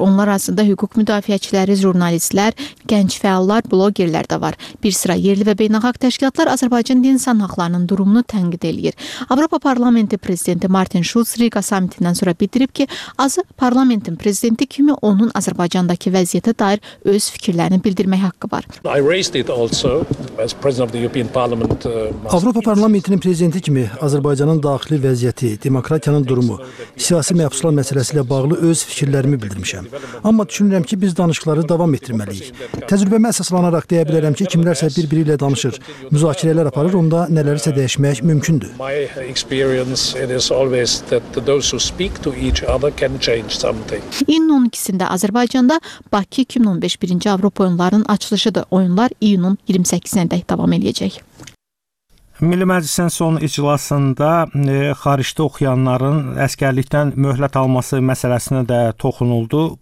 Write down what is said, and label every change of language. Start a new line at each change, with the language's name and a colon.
Azerbaijani: Onlar arasında hüquq müdafiəçiləri, jurnalistlər, gənc fəallar, bloqerlər də var. Bir sıra yerli və beynəlxalq təşkilatlar Azərbaycanda insan haqlarının durumunu tənqid eləyir. Avropa Parlamenti Prezidenti Martin Schulz Riga samitindən sonra bildirib ki, azı parlamentin prezidenti kimi onun Azərbaycandakı vəziyyətə dair öz fikirlərini bildirmək haqqı var.
English: I raised it also as president of the European Parliament.
Azerbaijani: Avropa Parlamentinin prezidenti kimi Azərbaycanın daxili vəziyyəti, demokratiyanın durumu, siyasi məhbuslar məsələsi ilə bağlı öz fikirlərimi bildirmişəm. Amma düşünürəm ki, biz danışıqları davam etdirməliyik. Təcrübəmə əsaslanaraq deyə bilərəm ki, kimlərsə bir-biri ilə danışır, müzakirələr aparır, onda nələrisə dəyişmək mümkündür.
English: My experience is always that those who speak to each other can change something.
Azerbaijani: İyunun 12-sində Azərbaycanda Bakı 2015 birinci Avropa oyunlarının açılışıdır. Oyunlar iyunun 28-sində davam edəcək. Milli Məclisin son iclasında xaricdə oxuyanların əskərlikdən möhlət alması məsələsinə də toxunuldu.